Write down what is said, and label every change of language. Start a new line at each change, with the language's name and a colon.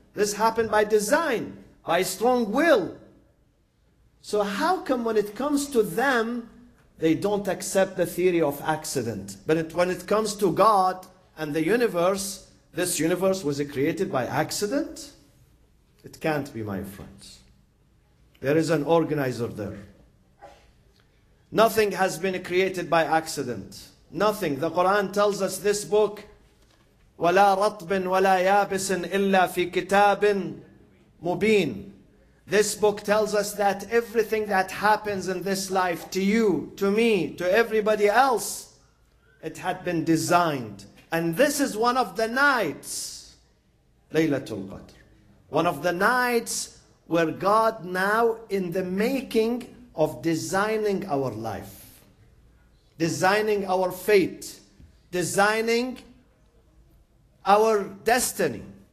English: This happened by design, by strong will. So how come when it comes to them, they don't accept the theory of accident? But when it comes to God and the universe, this universe was created by accident? It can't be, my friends. There is an organizer there. Nothing has been created by accident. Nothing. The Quran tells us this book,
Arabic: وَلَا رَطْبٍ وَلَا يَابِسٍ إِلَّا فِي كِتَابٍ مُبِينٍ.
English: This book tells us that everything that happens in this life to you, to me, to everybody else, it had been designed. And this is one of the nights, Laylatul Qadr. One of the nights where God now in the making of designing our life, designing our fate, designing our destiny.